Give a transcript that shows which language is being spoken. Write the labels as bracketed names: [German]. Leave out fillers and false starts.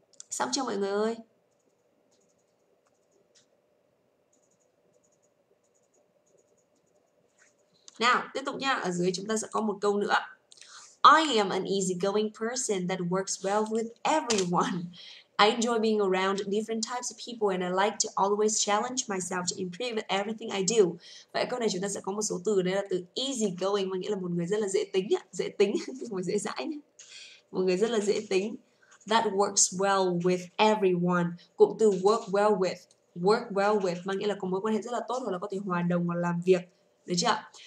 [Vietnamese] Xong chưa mọi người ơi? Nào, tiếp tục nha. Ở dưới chúng ta sẽ có một câu nữa. [English] I am an easygoing person that works well with everyone. I enjoy being around different types of people and I like to always challenge myself to improve everything I do. [Vietnamese] Vậy câu này chúng ta sẽ có một số từ, đấy là từ easygoing, mà nghĩa là một người rất là dễ tính nhá, dễ tính, một dễ dãi nhá. Một người rất là dễ tính. [English] That works well with everyone. [Vietnamese] Cụm từ [English] work well with. [Vietnamese] Work well with mà nghĩa là có mối quan hệ rất là tốt hoặc là có thể hòa đồng và làm việc. Được chưa?